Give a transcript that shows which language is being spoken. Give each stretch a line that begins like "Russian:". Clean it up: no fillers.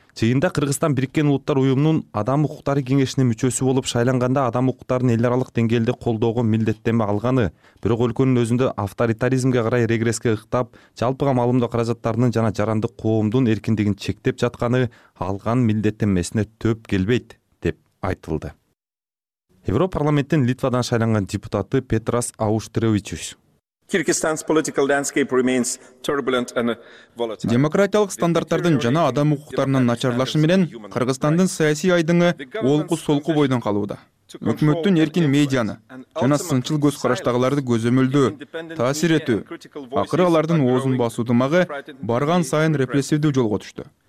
Kyrgyz: Жыйында Кыргызстан Бириккен Улуттар Уюмунун адам укуктары кеңешинин мүчөсү болуп шайланганда адам укуктарын эл аралык деңгээлде колдоого милдеттенме алганы, бирок өлкөнүн өзүндө авторитаризмге карай регресске ыктап, жалпыга маалымдоо каражаттарынын жана жарандык коомдун эркиндигин чектеп жатканы алган милдеттенмесине төп келбейт деп айтылды. Европарламенттин Литвадан шайланган депутаты Петрас Ауштревичус.
English: Kyrgyzstan's political landscape remains turbulent and volatile.
Kyrgyz: Демократиялык стандарттардын жана адам укуктарынын начарлашы менен Кыргызстандын саясий айдыңы олку-солку бойдон калууда. Өкмөттүн эркин медианы жана сынчыл көз караштагыларды көзөмөлдөө, таасир этүү, акыры алардын оозун басуу дымагы барган сайын репрессивдүү жолго түштү.